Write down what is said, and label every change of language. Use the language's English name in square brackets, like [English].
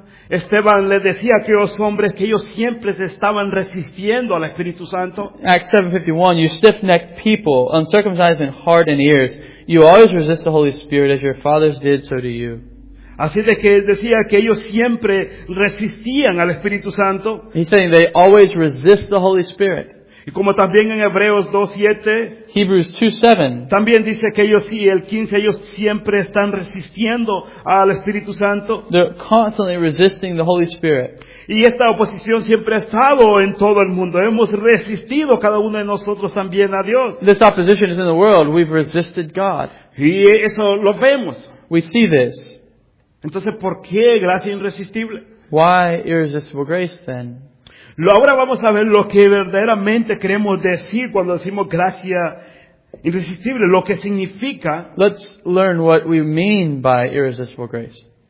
[Spanish] Esteban le decía a aquellos hombres que ellos siempre se estaban resistiendo al Espíritu Santo. [English] Acts 7:51, you stiff-necked people, uncircumcised in heart and ears, you always resist the Holy Spirit as your fathers did, so do you. [Spanish] Así de que decía que ellos siempre resistían al Espíritu Santo. [English] He's saying they always resist the Holy Spirit. [Spanish] Y como también en Hebreos 2:7, [English] Hebrews 2:7, [Spanish] también dice que ellos sí, el 15, ellos siempre están resistiendo al Espíritu Santo. [English] They're constantly resisting the Holy Spirit. [Spanish] Y esta oposición siempre ha estado en todo el mundo. Hemos resistido cada uno de nosotros también a Dios. [English] This opposition is in the world. We've resisted God. [Spanish] Y eso lo vemos. [English] We see this. [Spanish] Entonces, ¿por qué gracia irresistible? [English] Why irresistible grace then? [Spanish] Ahora vamos a ver lo que verdaderamente queremos decir cuando decimos gracia irresistible, lo que significa. [English] Let's learn what we mean by irresistible grace.